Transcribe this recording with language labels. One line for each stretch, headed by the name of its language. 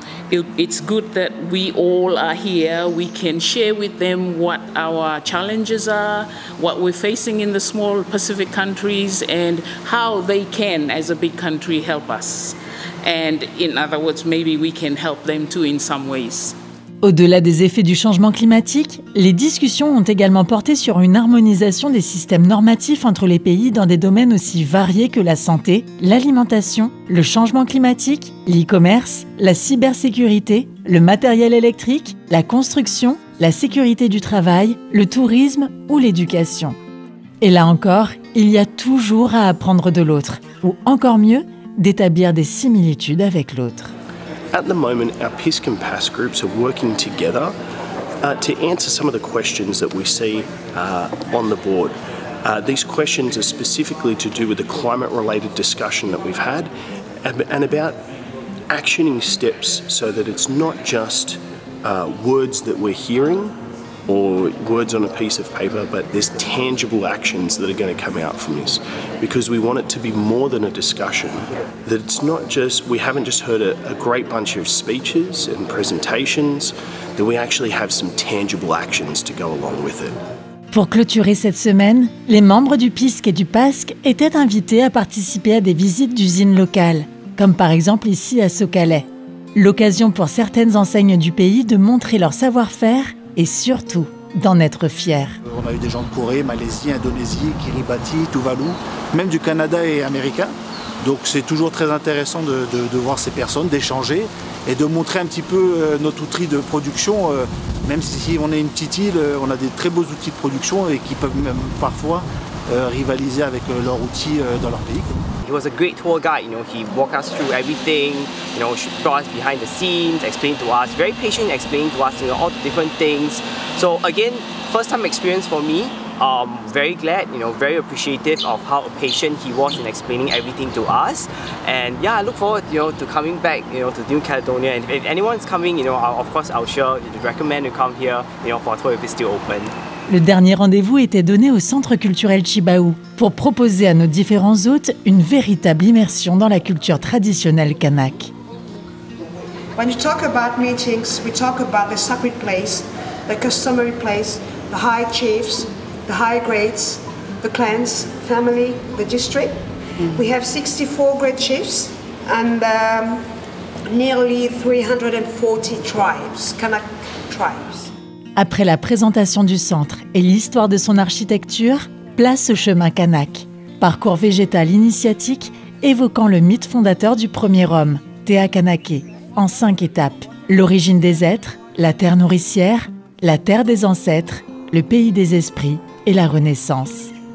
English: It's good that we all are here. We can share with them what our challenges are, what we're facing in the small Pacific countries, and how they can, as a big country, help us. And in other words, maybe we can help them too in some ways.
French: Au-delà des effets du changement climatique, les discussions ont également porté sur une harmonisation des systèmes normatifs entre les pays dans des domaines aussi variés que la santé, l'alimentation, le changement climatique, l'e-commerce, la cybersécurité, le matériel électrique, la construction, la sécurité du travail, le tourisme ou l'éducation. Et là encore, il y a toujours à apprendre de l'autre, ou encore mieux, d'établir des similitudes avec l'autre.
English: At the moment, our PISC and PASC groups are working together to answer some of the questions that we see on the board. These questions are specifically to do with the climate-related discussion that we've had and about actioning steps so that it's not just words that we're hearing or words on a piece of paper, but there's tangible actions that are going to come out from this. Because we want it to be more than a discussion, that it's not just, we haven't just heard a great bunch of speeches and presentations, that we actually have some tangible actions to go along with it.
French: Pour clôturer cette semaine, les membres du PISC et du PASC étaient invités à participer à des visites d'usines locales, comme par exemple ici à Socalais. L'occasion pour certaines enseignes du pays de montrer leur savoir-faire et surtout, d'en être fier. On a eu des gens de Corée, Malaisie, Indonésie, Kiribati, Tuvalu, même du Canada et Américain. Donc c'est toujours très intéressant de voir ces personnes, d'échanger et de montrer un petit peu notre outil de production. Même si on est une petite île, on a des très beaux outils de production et qui peuvent même parfois rivaliser avec leurs outils dans leur pays.
English: He was a great tour guide, you know, he walked us through everything, you know, she brought us behind the scenes, explained to us, very patient, explained to us, you know, all the different things. So again, first time experience for me, very glad, you know, very appreciative of how patient he was in explaining everything to us. And yeah, I look forward, you know, to coming back, you know, to New Caledonia. And if anyone's coming, you know, of course I'll sure recommend to come here, you know, for a tour if it's still open.
French: Le dernier rendez-vous était donné au Centre culturel Chibaou pour proposer à nos différents hôtes une véritable immersion dans la culture traditionnelle kanak.
English: When you talk about meetings, we talk about the sacred place, the customary place, the high chiefs, the high grades, the clans, family, the district. We have 64 great chiefs and nearly 340 tribes, kanak tribes.
French: Après la présentation du centre et l'histoire de son architecture, place au chemin Kanak, parcours végétal initiatique évoquant le mythe fondateur du premier homme, Théa Kanaké, en 5 étapes. L'origine des êtres, la terre nourricière, la terre des ancêtres, le pays des esprits et la renaissance.